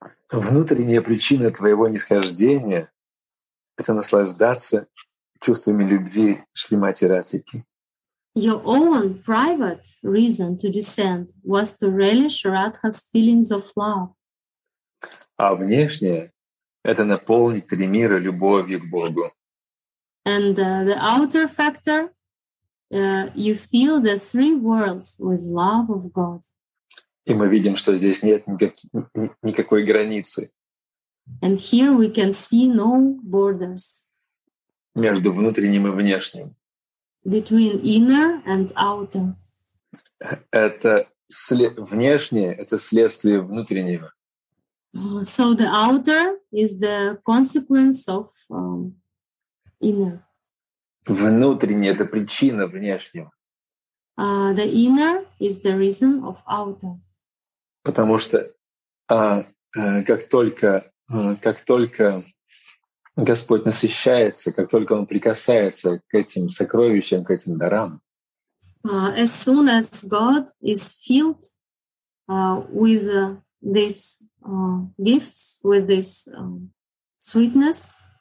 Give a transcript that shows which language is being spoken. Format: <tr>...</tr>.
<ru>Внутренняя причина твоего нисхождения — это наслаждаться чувствами любви Шримати Радхики.</ru> <en>Your own private reason to descend was to relish Radha's feelings of love.</en> <ru>А внешнее это наполнить три мира любовью к Богу.</ru> <en>And the outer factor you feel the three worlds with love of God.</en> <ru>И мы видим, что здесь нет никакой границы.</ru> <en>And here we can see no borders.</en> <ru>Между внутренним и внешним.</ru> <en>Between inner and outer.</en> <ru>Это внешнее — это следствие внутреннего.</ru> <en>So the outer is the consequence of inner.</en> <ru>Внутреннее — это причина внешнего.</ru> <en>The inner is the reason of outer.</en> <ru>Потому что как только Господь насыщается, как только Он прикасается к этим сокровищам, к этим дарам.</ru> <en>As soon as God is filled with these gifts, with this sweetness,</en>